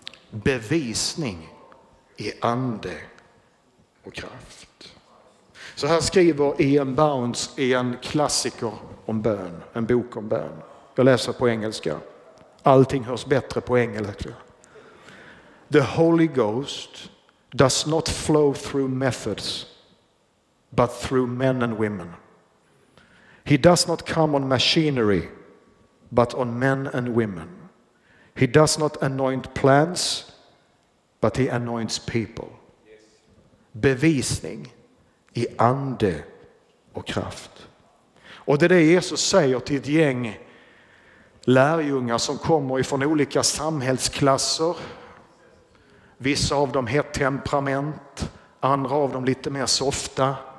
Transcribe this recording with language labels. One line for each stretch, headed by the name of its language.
Swedish: Bevisning i ande och kraft. Så här skriver Ian Bounds i en klassiker om bön, en bok om bön. Jag läser på engelska. Allting hörs bättre på engelska.
English: The Holy Ghost does not flow through methods, but through men and women. He does not come on machinery, but on men and women. He does not anoint plants, but he anoints people.
Swedish: Bevisning i ande och kraft. Och det är det Jesus säger till ett gäng lärjungar som kommer ifrån olika samhällsklasser. Vissa av dem har temperament, andra av dem lite mer softa.